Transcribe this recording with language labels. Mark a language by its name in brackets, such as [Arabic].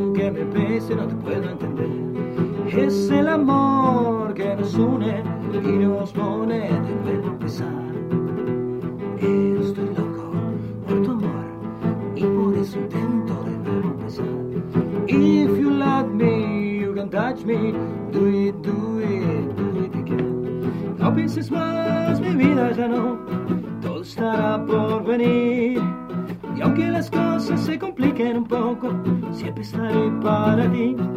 [Spanish] me pese no te puedo entender. Es el amor que nos une y nos pone de nuevo a empezar. Estoy loco por tu amor y por eso intento de nuevo empezar. [English] If you love me, you can touch me. Do it, do it, do it again. [Spanish] No pienses más, mi vida ya no. Todo estará por venir. Y aunque las cosas se compliquen un poco, siempre estaré para ti.